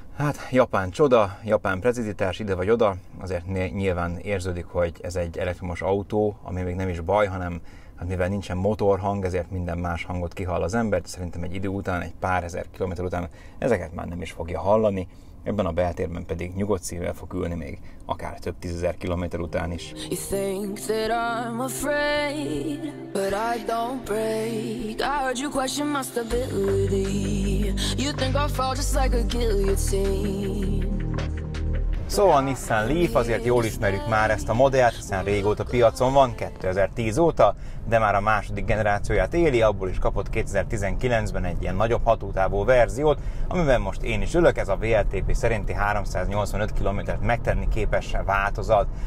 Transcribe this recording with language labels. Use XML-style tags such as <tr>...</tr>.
<hu>Hát japán csoda, japán precizitás ide vagy oda, azért nyilván érződik, hogy ez egy elektromos autó, ami még nem is baj, hanem hát mivel nincsen motorhang, ezért minden más hangot kihall az ember, szerintem egy idő után, egy pár ezer kilométer után ezeket már nem is fogja hallani. Ebben a beltérben pedig nyugodt szívvel fog ülni még akár több tízezer kilométer után is.</hu> <en>You think that I'm afraid, but I don't break. I heard you question my stability. You think I fall just like a guillotine.</en> <hu>Szóval a Nissan Leaf, azért jól ismerjük már ezt a modellt, hiszen régóta piacon van, 2010 óta, de már a második generációját éli, abból is kapott 2019-ben egy ilyen nagyobb hatótávú verziót, amiben most én is ülök, ez a WLTP szerinti 385 km-t megtenni képes változat.</hu>